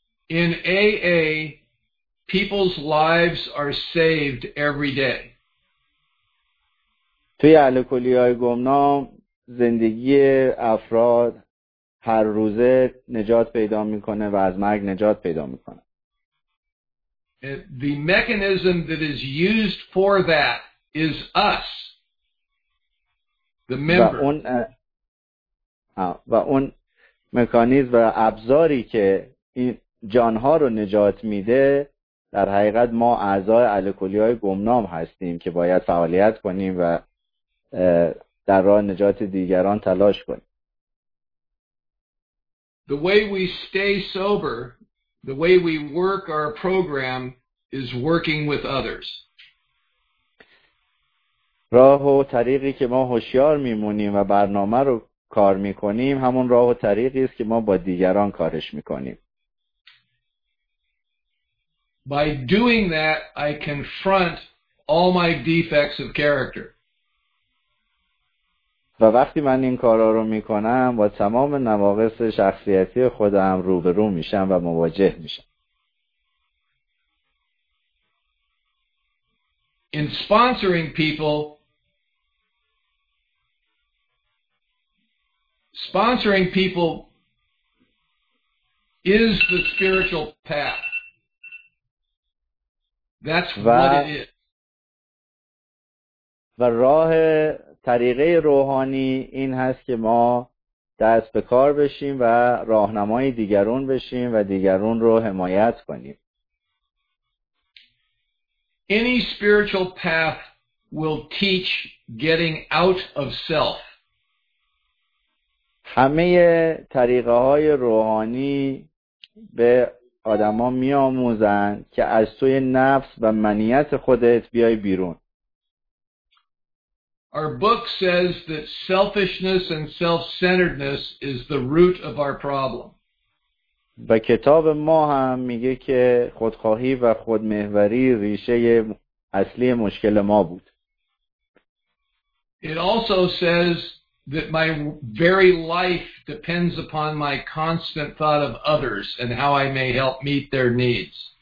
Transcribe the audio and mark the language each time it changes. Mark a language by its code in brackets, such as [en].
[en] In AA people's lives are saved every day. [fa] توی الکلی‌های گمنام زندگی افراد هر روزه نجات پیدا میکنه و از مرگ نجات پیدا میکنه. [en] The mechanism that is used for that is us, the member. [fa] و اون مکانیزم و ابزاری که این جانها رو نجات میده در حقیقت ما اعضای الکلی‌های گمنام هستیم که باید فعالیت کنیم و در راه نجات دیگران تلاش کنیم. [en] The way we stay sober, the way we work our program is working with others. [fa] راه و طریقی که ما هوشیار میمونیم و برنامه رو کار میکنیم همون راه و طریقی است که ما با دیگران کارش میکنیم. [en] By doing that, I confront all my defects of character. [fa] و وقتی من این کارا رو میکنم با تمام نواقص شخصیتی خودم روبرو میشم و مواجه میشم. [en] In sponsoring people, is the spiritual path. That's what it is. [fa] و راه طریقه روحانی این هست که ما دست به کار بشیم و راهنمای دیگرون بشیم و دیگرون رو حمایت کنیم. [en] Any spiritual path will teach getting out of self. [fa] همه طریقه های روحانی به آدم ها می آموزن که از توی نفس و منیت خودت بیای بیرون. [en] Our book says that selfishness and self-centeredness is the root of our problem. [fa] و کتاب ما هم میگه که خودخواهی و خودمحوری ریشه اصلی مشکل ما بود. [en] It also says that my very life depends upon my constant thought of others and how I may help meet their needs.